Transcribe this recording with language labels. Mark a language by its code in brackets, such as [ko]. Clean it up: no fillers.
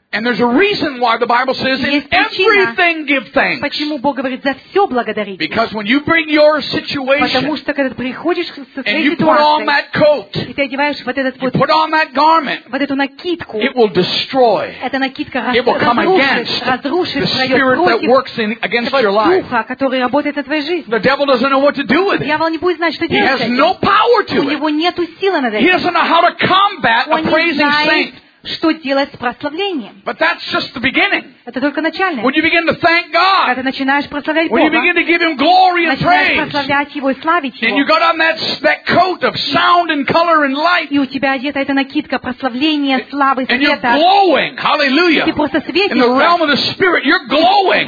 [en] And there's a reason why the Bible says in everything give thanks. [ru] Почему Бог говорит за все благодарить? [en] Because when you bring your situation, [ru] потому что когда ты приходишь со своей ситуацией, и ты одеваешь вот этот вот, [en] put on that garment, [ru] вот эту накидку, [en] it will destroy. [ru] Эта накидка разрушит, разрушит твое против духа, который работает на твоей жизни. [en] The devil doesn't know what to do with it. [ru] Дьявол не будет знать, что делать. [en] He has no power to it. [ru] У него нету силы на это. [en] He doesn't know how to combat a praising saint. [ru] Что делать с прославлением? [en] But that's just the beginning. [ru] Это только начальное. [en] When you begin to thank God, [ru] когда ты начинаешь прославлять Бога, [en] when you begin to give Him glory and praise, [ru] прославлять Его и славить Его, [en] and you got on that coat of sound and color and light, [ru] и у тебя одета эта накидка прославления, славы, света, [en] and you're glowing, hallelujah, [ru] ты просто светишься, [en] in the realm of the spirit, you're glowing,